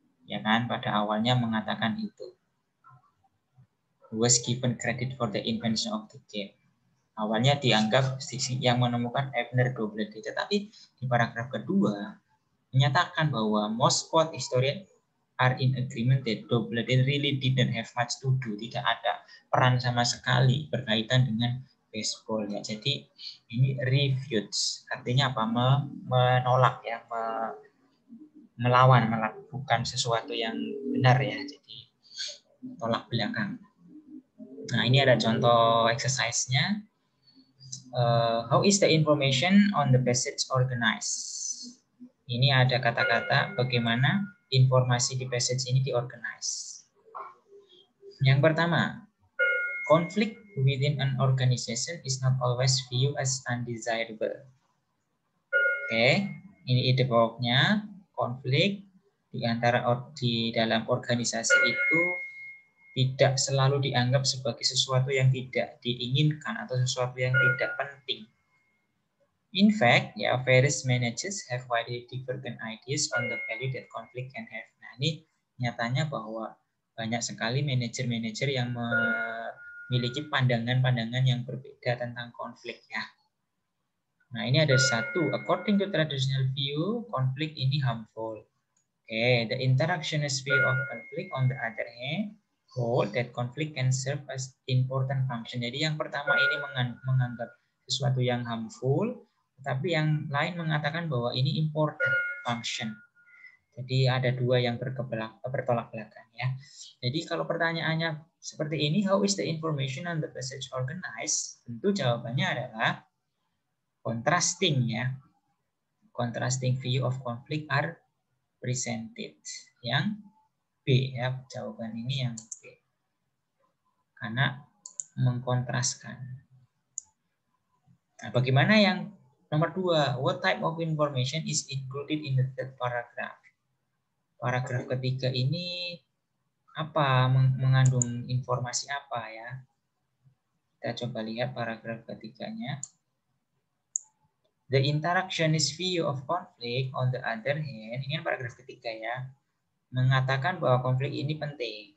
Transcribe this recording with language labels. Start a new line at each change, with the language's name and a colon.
Indonesian: Ya kan, pada awalnya mengatakan itu.
English: Was given credit for the invention of the game.
Indonesian: Awalnya dianggap yang menemukan Abner Doubleday, tetapi di paragraf kedua menyatakan bahwa
English: most sport historian are in agreement that Doubleday really didn't have much to do,
Indonesian: tidak ada peran sama sekali berkaitan dengan baseball ya. Jadi ini refutes, artinya apa? Menolak ya, melawan, melakukan sesuatu yang benar ya. Jadi tolak belakang. Nah, ini ada contoh exercise-nya.
English: How is the information on the passage organized?
Indonesian: Ini ada kata-kata bagaimana informasi di passage ini diorganize.
English: Yang pertama, conflict within an organization is not always viewed as undesirable.
Indonesian: Oke, ini ide pokoknya, konflik di antara di dalam organisasi itu tidak selalu dianggap sebagai sesuatu yang tidak diinginkan atau sesuatu yang tidak penting.
English: In fact, ya, various managers have widely divergent ideas on the value that conflict can have.
Indonesian: Nah, ini nyatanya bahwa banyak sekali manajer-manajer yang memiliki pandangan-pandangan yang berbeda tentang konflik, ya. Nah, ini ada satu.
English: According to traditional view, conflict ini harmful. Okay, the interactionist view of conflict on the other hand hold that conflict can serve as important function.
Indonesian: Jadi yang pertama ini menganggap sesuatu yang harmful, tapi yang lain mengatakan bahwa ini important function. Jadi ada dua yang bertolak belakang, ya. Jadi kalau pertanyaannya seperti ini,
English: how is the information on the passage organized?
Indonesian: Tentu jawabannya adalah contrasting, ya.
English: Contrasting view of conflict are presented.
Indonesian: Yang B, ya, jawaban ini yang B. Karena mengkontraskan. Nah, bagaimana yang nomor dua?
English: What type of information is included in the third paragraph?
Indonesian: Paragraf ketiga ini apa, mengandung informasi apa, ya? Kita coba lihat paragraf ketiganya.
English: The interactionist view of conflict on the other hand,
Indonesian: ini paragraf ketiga, ya, mengatakan bahwa konflik ini penting.